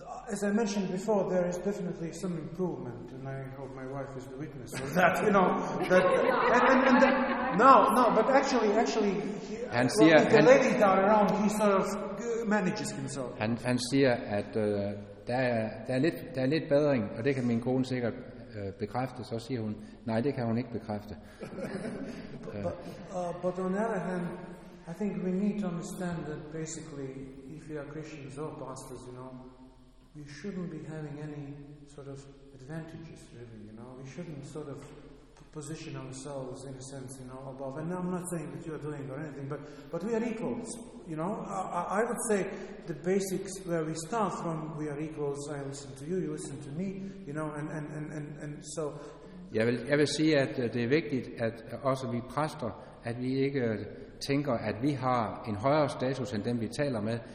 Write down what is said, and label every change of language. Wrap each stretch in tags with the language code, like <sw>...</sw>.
<en>As I mentioned before, there is definitely some improvement, and I hope my wife is the witness of that. You know, that, and the, no, but actually, Hans-Sia, the ladies are around. He sort of manages himself.</en> <da>Han siger, at der er lidt bedring, og det kan min kone sikkert bekræfte. Så siger hun, nej, det kan hun ikke bekræfte.</da> <en>But on the other hand, I think we need to understand that basically, if we are Christians or pastors, you know, we shouldn't be having any sort of advantages, really, you know. We shouldn't sort of position ourselves, in a sense, you know, above. And I'm not saying that you're doing or anything, but we are equals, you know. I would say the basics where we start from, we are equals. I listen to you, you listen to me, you know, and so.</en> <da>Jeg vil sige, at det er vigtigt, at også vi præster, at vi ikke tænker, at vi har en højere status end dem, vi taler med.</da>